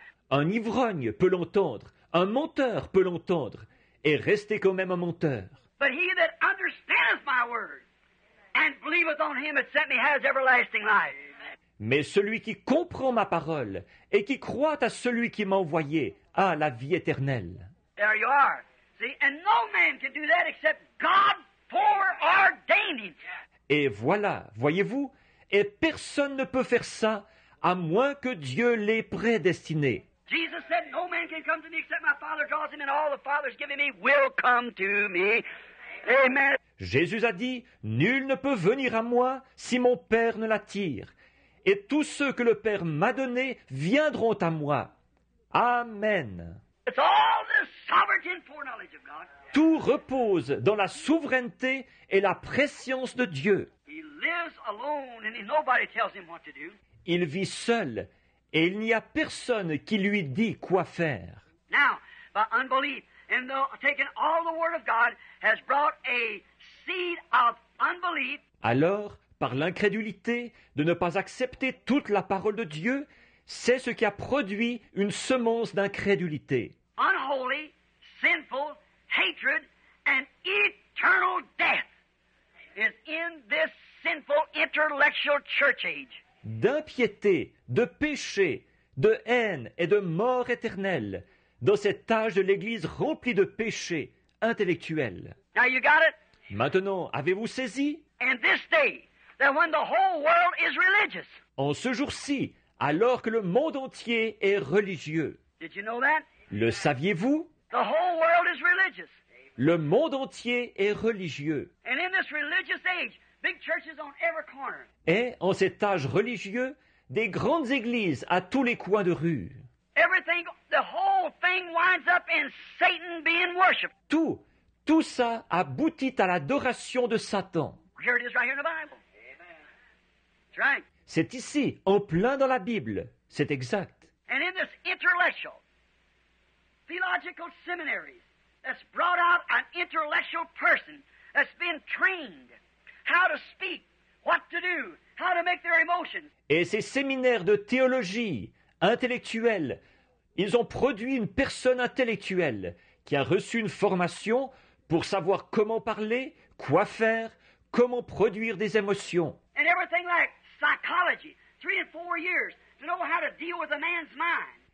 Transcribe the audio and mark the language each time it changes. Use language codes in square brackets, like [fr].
[fr] Un ivrogne peut l'entendre. Un menteur peut l'entendre et rester quand même un menteur. [en] But he that understandeth my word and believeth on him that sent me has everlasting life. [fr] Mais celui qui comprend ma parole et qui croit à celui qui m'a envoyé a la vie éternelle. [en] There you are. See, and no man can do that except God foreordaining. [fr] Et voilà, voyez-vous, et personne ne peut faire ça à moins que Dieu l'ait prédestiné. [en] Jesus said, no man can come to me except my Father draws him, and all the Father's given me will come to me. Amen. [fr] Jésus a dit, nul ne peut venir à moi si mon Père ne l'attire, et tous ceux que le Père m'a donné viendront à moi. Amen. [en] It's all the sovereignty and foreknowledge of God. [fr] Tout repose dans la souveraineté et la prescience de Dieu. [en] He lives alone and nobody tells him what to do. [fr] Il vit seul et il n'y a personne qui lui dit quoi faire. [en] Now, by unbelief, and though taking all the word of God has brought a seed of unbelief. [fr] Alors, par l'incrédulité de ne pas accepter toute la parole de Dieu, c'est ce qui a produit une semence d'incrédulité. [en] Unholy, sinful, hatred, and eternal death is in this sinful intellectual church age. [fr] D'impiété, de péché, de haine et de mort éternelle dans cet âge de l'Église remplie de péché intellectuel. [en] Now you got it? [fr] Maintenant, avez-vous saisi? [en] And this day, that when the whole world is religious. [fr] En ce jour-ci, alors que le monde entier est religieux. [en] Did you know that? [fr] Le saviez-vous? [en] The whole world is religious. [fr] Le monde entier est religieux. [en] And in this religious age, big churches on every corner. [fr] Et en cet âge religieux, des grandes églises à tous les coins de rue. [en] Everything, the whole thing winds up in Satan being worshipped. [fr] Tout ça aboutit à l'adoration de Satan. [en] Here it is right here in the Bible. Amen. That's right. [fr] C'est ici, en plein dans la Bible. C'est exact. [en] And in this intellectual, theological seminary that's brought out an intellectual person that's been trained how to speak, what to do, how to make their emotions. [fr] Et ces séminaires de théologie intellectuelle, ils ont produit une personne intellectuelle qui a reçu une formation pour savoir comment parler, quoi faire, comment produire des émotions. [en] And everything like psychology, 3 and 4 years to know how to deal with a man's mind.